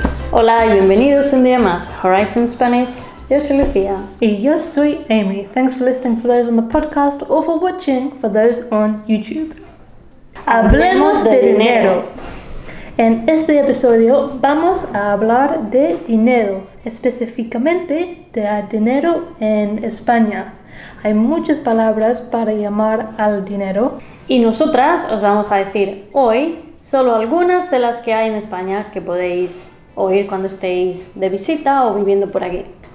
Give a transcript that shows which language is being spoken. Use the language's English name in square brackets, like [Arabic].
[Spanish] Hola, bienvenidos un día más a Horizon Spanish. Yo soy Lucía. Y yo soy Amy. [English] Thanks for listening for those on the podcast or for watching for those on YouTube. [Spanish] Hablemos de dinero. En este episodio vamos a hablar de dinero, específicamente de dinero en España. Hay muchas palabras para llamar al dinero. Y nosotras os vamos a decir hoy solo algunas de las que hay en España que podéis oír cuando estéis de visita o viviendo por aquí.